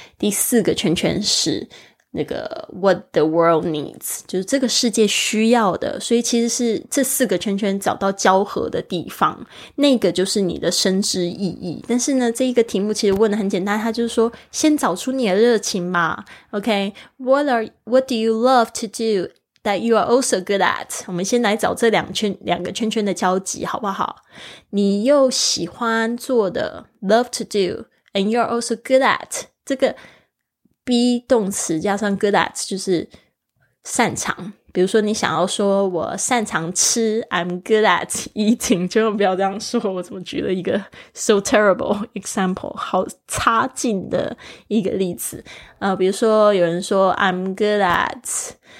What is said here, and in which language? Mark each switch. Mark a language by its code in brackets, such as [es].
[zh] 第四个圈圈是那个 [en] what the world needs, [zh] 就是这个世界需要的。所以其实是这四个圈圈找到交合的地方。那个就是你的生之意义。但是呢这一个题目其实问的很简单它就是说先找出你的热情嘛。 [en] OK,what do you love to do that you are also good at? [zh] 我们先来找这两个圈圈的交集好不好你又喜欢做的 [en] love to do, and you are also good at, [zh] 这个be 动词加上 good at 就是擅长比如说你想要说我擅长吃 [en] I'm good at eating [zh] 千万不要这样说我怎么举了一个 [en] so terrible example [zh] 好差劲的一个例子比如说有人说 [en] I'm good at